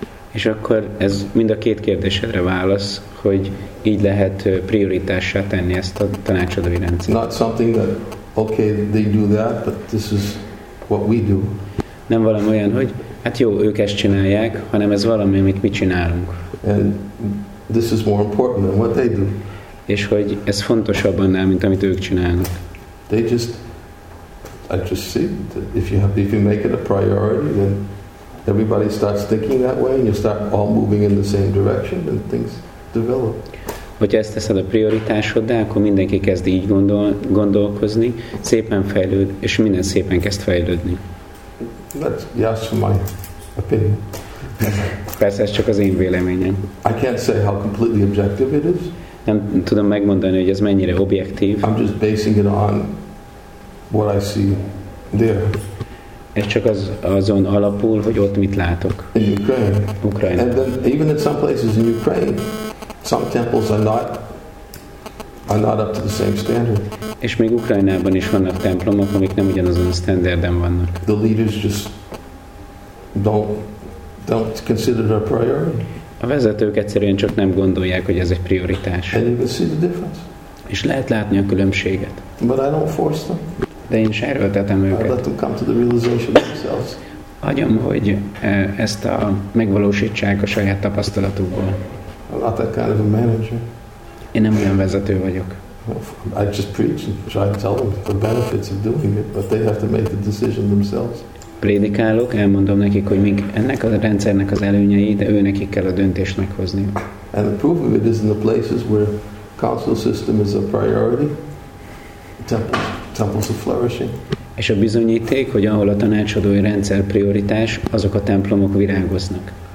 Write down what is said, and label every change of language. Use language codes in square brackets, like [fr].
[hu] És akkor ez mind a két kérdésedre válasz, hogy így lehet prioritássá tenni ezt a tanácsadói rendszert. [en] Not something that, okay, they do that, but this is what we do. [hu] Nem valami olyan, hogy hát jó, ők ezt csinálják, hanem ez valami, amit mi csinálunk. [en] And this is more important than what they do. [hu] És hogy ez fontosabb annál, mint amit ők csinálnak. [en] They just, I just see that if you make it a priority, then everybody starts thinking that way and you start all moving in the same direction and things develop. [hu] Hogyha ezt teszed a prioritásoddá, akkor mindenki kezd így gondolkozni, szépen fejlőd, és minden szépen kezd fejlődni. [en] But yes, for my opinion. [hu] Persze, ez csak az én véleményem. [en] I can't say how completely objective it is. [hu] Nem tudom megmondani, hogy ez mennyire objektív. [en] I'm just basing it on what I see there. [hu] Ez csak azon alapul, hogy ott mit látok. [en] In Ukraine. [hu] Ukrajna. [en] And then even in some places in Ukraine, some temples are not up to the same standard. [hu] És még Ukrajnában is vannak templomok, amik nem ugyanazon a standarden vannak. [en] The leaders just don't consider it a priority. [hu] A vezetők egyszerűen csak nem gondolják, hogy ez egy prioritás. [en] And you can see the difference. [hu] És lehet látni a különbséget. [en] But I don't force them. [hu] De én se erőltetem őket. [en] I let them come to the realization themselves. [hu] Hagyom, hogy ezt a megvalósítsák a saját tapasztalatukból. [en] I'm not that kind of a manager. [hu] Én nem olyan vezető vagyok. [en] I just preach and try to tell them the benefits of doing it, but they have to make the decision themselves. [hu] Prédikálok, elmondom nekik, hogy még ennek a rendszernek az előnyei, de őnekik kell a döntést meghozni. [en] And the proof of it is in the places where council system is a priority, temples are flourishing. [hu] És a bizonyíték, hogy ahol a tanácsadói rendszer prioritás, azok a templomok virágoznak.